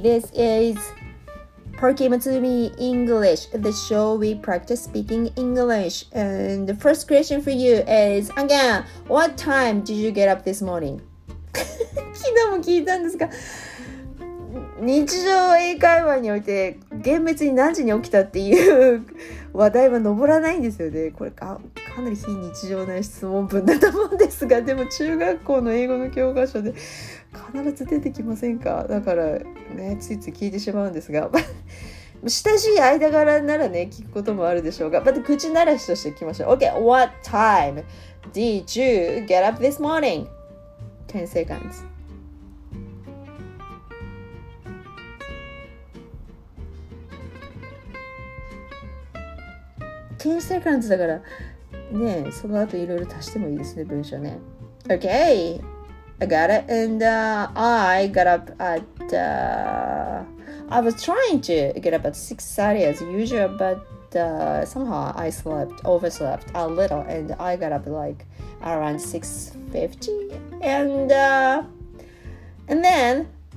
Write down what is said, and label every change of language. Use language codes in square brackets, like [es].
[en] This is Perky Matsumi English, the show we practice speaking English. And the first question for you is, again, what time did you get up this morning? [ja] 昨日も聞いたんですが、日常英会話において厳密に何時に起きたっていう話題は上らないんですよね。これかなり非日常な質問文だと思うんですが、でも中学校の英語の教科書で必ず出てきませんか？だからね、ついつい聞いてしまうんですが、親しい間柄ならね、聞くこともあるでしょうが、まず口慣らしとしていきましょう。 [en] OK, What time did you get up this morning? 10 seconds. [ja] だからね、その後いろいろ足してもいいですね、文章ね。 [en] OK, I got it. And、I got up at、I was trying to get up at 6:30 as usual, but、somehow I overslept a little, and I got up like around 6:50, and then